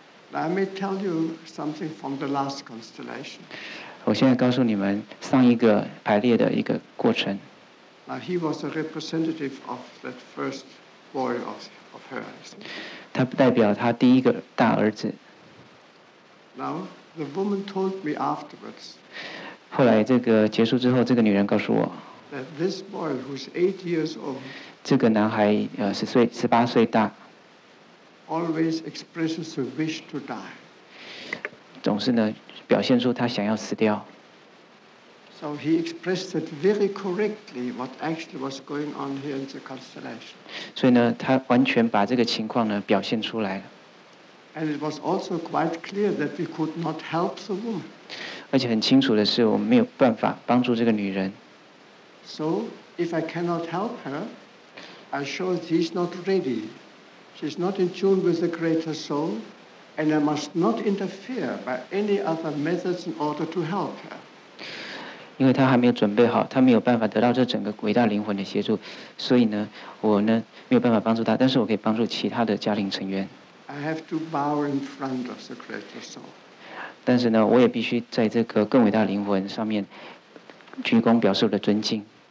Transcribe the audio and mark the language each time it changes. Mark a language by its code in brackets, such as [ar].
[en] Now, I may tell you something from the last constellation. [zh] 我现在告诉你们上一个排列的一个过程 [en] Now, he was a representative of that first boy of hers. [zh] 他代表他第一个大儿子 [en] Now, the woman told me afterwards. [zh] 后来这个结束之后，这个女人告诉我 [en] ，That this boy who's 8 years old， [zh] 这个男孩十八岁大 [en] ，always expresses a wish to die， [zh] 总是呢表现出他想要死掉。 [en] So he expressed it very correctly what actually was going on here in the constellation。 [zh] 所以呢，他完全把这个情况呢表现出来了。 [en] And it was also quite clear that we could not help the woman。 [zh] 而且很清楚的是，我们没有办法帮助这个女人。 [en] So if I cannot help her, I show she's not ready. She's not in tune with the greater soul, and I must not interfere by any other methods in order to help her. [zh] 因为他还没有准备好，他没有办法得到这整个伟大灵魂的协助，所以呢，我呢没有办法帮助他，但是我可以帮助其他的家庭成员。 [en] I have to bow in front of the greater soul. [zh] 但是呢，我也必须在这个更伟大灵魂上面鞠躬，表示我的尊敬。